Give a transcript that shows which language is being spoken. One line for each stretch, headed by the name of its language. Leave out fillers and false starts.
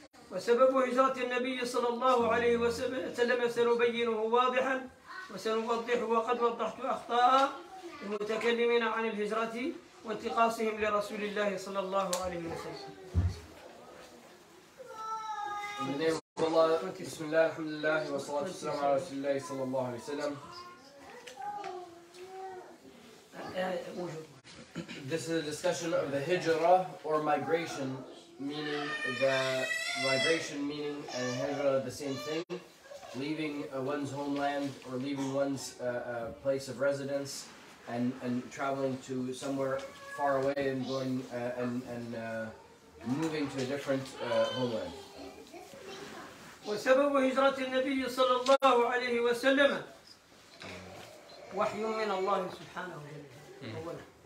Arabic: وسبب هجرة النبي صلى الله عليه وسلم سنبينه واضحا وسنوضحه، وقد وضحت أخطاء المتكلمين عن الهجرة وانتقاصهم لرسول الله صلى الله عليه وسلم. بسم الله، الحمد لله، والصلاة والسلام على رسول الله صلى الله عليه وسلم.
English: This is a discussion of the hijra or migration, meaning the migration meaning and hijra the same thing, leaving one's homeland or leaving one's place of residence and traveling to somewhere far away and going and moving to a different homeland.
Arabic: وسبب هجرة النبي صلى الله عليه وسلم وحي من الله سبحانه وتعالى.